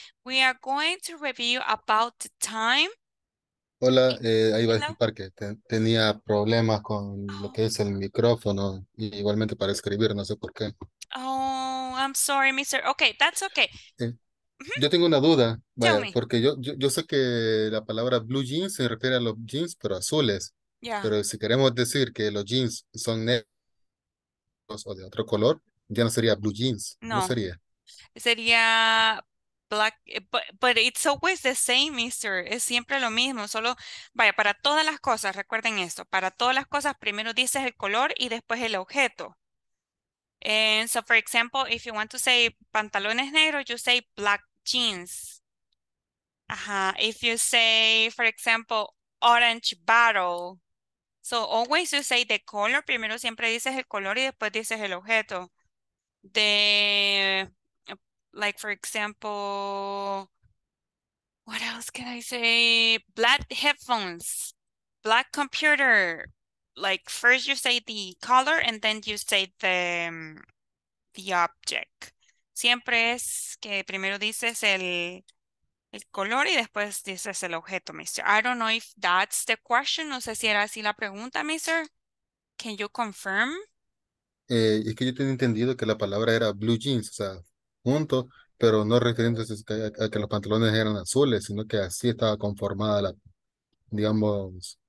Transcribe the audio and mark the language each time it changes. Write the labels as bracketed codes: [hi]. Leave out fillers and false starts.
[en] We are going to review about the time. [es] Hola, ahí va a disculpar que tenía problemas con lo que es el micrófono, y igualmente para escribir, no sé por qué. [en] Oh, I'm sorry, mister. Okay, that's okay. [es] Yo tengo una duda, vaya, porque yo sé que la palabra blue jeans se refiere a los jeans, pero azules. [en] Yeah. [es] Pero si queremos decir que los jeans son negros o de otro color, ya no sería blue jeans. No. ¿No sería? Sería [en] black, but it's always the same, mister. [es] Es siempre lo mismo. Solo, vaya, para todas las cosas, recuerden esto. Para todas las cosas, primero dices el color y después el objeto. [en] And so, for example, if you want to say [es] pantalones negros, [en] you say black jeans. If you say, for example, orange bottle. So always you say the color. [es] Primero siempre dices el color y después dices el objeto. [en] The, like for example, what else can I say? Black headphones, black computer. Like first you say the color and then you say the object. [es] Siempre es que primero dices el color y después dices el objeto, mister. [en] I don't know if that's the question. [es] No sé si era así la pregunta, [en] mister. Can you confirm? [es] Es que yo tenía entendido que la palabra era blue jeans, o sea, junto, pero no refiriéndose a que los pantalones eran azules, sino que así estaba conformada la, digamos...